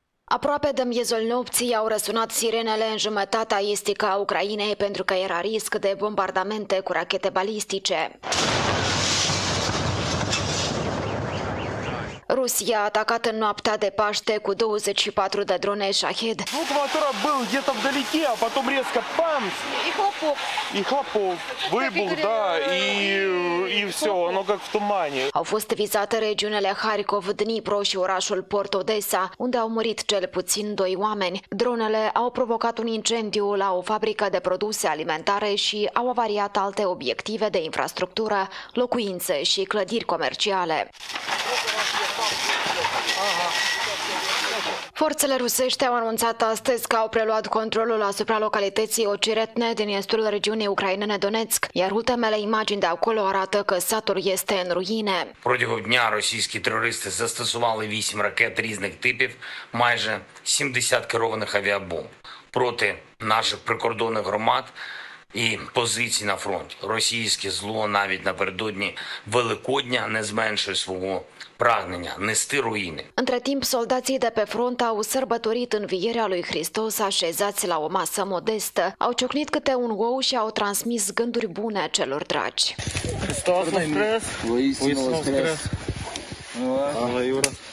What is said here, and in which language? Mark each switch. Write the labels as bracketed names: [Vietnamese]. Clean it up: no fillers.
[Romanian] Aproape de miezul nopții au răsunat sirenele în jumătatea estică a Ucrainei pentru că era risc de bombardamente cu rachete balistice. Rusia a atacat în noaptea de Paște cu 24 de drone Shahed. Motorul a fost [Russian] где-то вдалеке, а потом резко бамс. И хлопок. Вибух, да, и всё, оно как в тумане. [Romanian] Au fost vizate regiunile Harkov, Dnipro și orașul Port Odessa, unde au murit cel puțin 2 oameni. Dronele au provocat un incendiu la o fabrică de produse alimentare și au avariat alte obiective de infrastructură, locuințe și clădiri comerciale. Forțele rusești au anunțat astăzi că au preluat controlul asupra localității Ocheretne din estul regiunii ucrainene Donetsk, iar ultimele imagini de acolo arată că satul este în ruine. [Ukrainian] Протягом дня російські терористи застосували 8 ракет різних типів, майже 70 керованих авіабомб проти наших прикордонних громад. І позиції на фронті. Російське зло навіть напередодні Великодня не зменшує свого прагнення нести руїни. [Romanian] Între timp, soldații de pe front au sărbătorit învierea lui Hristos așezați la o masă modestă, au ciocnit câte un ou și au transmis gânduri bune celor dragi. [Ukrainian] Hristos voscres! Voistinu voscres! Ava Iura!